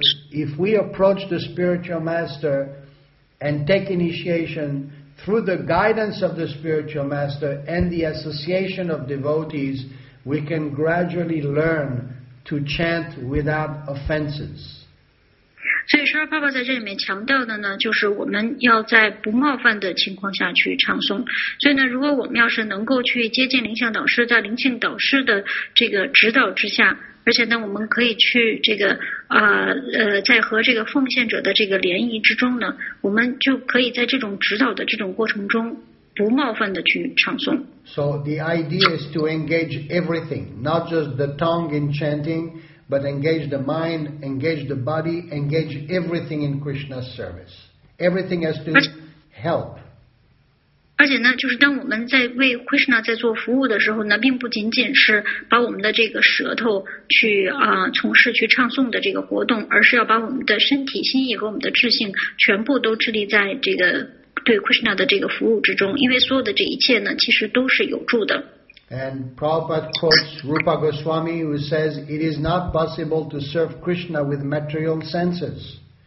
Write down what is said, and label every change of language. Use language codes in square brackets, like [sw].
[en] If we approach the spiritual master and take initiation through the guidance of the spiritual master and the association of devotees, we can gradually learn to chant without offenses. [zh] 所以说爸爸在这里面强调的呢，就是我们要在不冒犯的情况下去唱诵。所以呢，如果我们要是能够去接近灵性导师，在灵性导师的这个指导之下，而且呢我们可以去这个在和这个奉献者的这个联谊之中呢，我们就可以在这种指导的这种过程中不冒犯的去唱诵。 [en] So the idea is to engage everything, not just the tongue in chanting, but engage the mind, engage the body, engage everything in Krishna's service. Everything has to help. [zh] 而且呢，就是当我们在为 Krishna 在做服务的时候呢，并不仅仅是把我们的这个舌头去从事去唱诵的这个活动，而是要把我们的身体、心意和我们的智性全部都致力在这个对 Krishna 的这个服务之中，因为所有的这一切呢，其实都是有助的。 [en] And Prabhupada quotes Rupa Goswami, who says, it is not possible to serve Krishna with material senses.